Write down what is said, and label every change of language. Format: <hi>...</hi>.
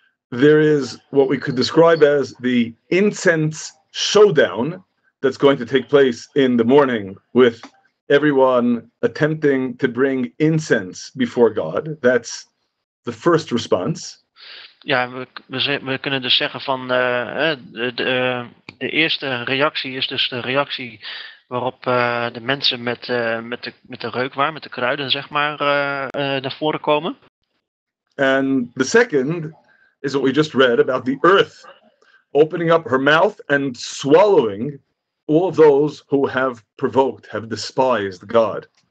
<en>There is what we could describe as the incense showdown that's going to take place in the morning with everyone attempting to bring incense before God. That's the first response.</en> <nl>Ja, we kunnen dus zeggen van de eerste reactie is dus de reactie waarop de mensen met de reukwaar, met de kruiden, zeg maar, naar voren komen.</nl> <en>And the second is what we just read about the earth opening up her mouth and swallowing all of those who have provoked, have despised God.</en>